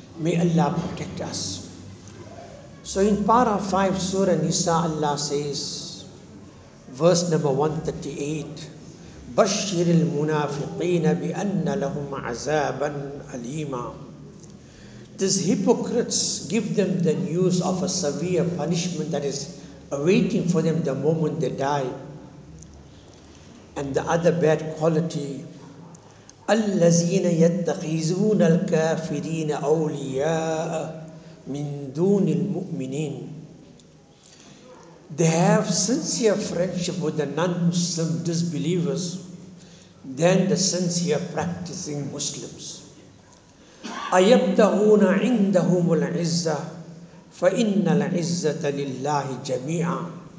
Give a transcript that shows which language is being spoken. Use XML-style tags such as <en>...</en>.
<en>May Allah protect us. So in Para 5 Surah Nisa, Allah says, verse number 138,</en> <ar>بَشِّرِ الْمُنَافِقِينَ بِأَنَّ لَهُمْ عَزَابًا أَلِيمًا.</ar> <en>These hypocrites, give them the news of a severe punishment that is awaiting for them the moment they die. And the other bad quality,</en> <ar>الَّذِينَ يَتَّخِذُونَ الْكَافِرِينَ أَوْلِيَاءَ مِن دُونِ الْمُؤْمِنِينَ.</ar> <en>They have sincere friendship with the non-Muslim disbelievers than the sincere practicing Muslims.</en> <ar>أَيَبْتَغُونَ عِنْدَهُمُ الْعِزَّةِ فَإِنَّ الْعِزَّةَ لِلَّهِ جَمِيعًا.</ar>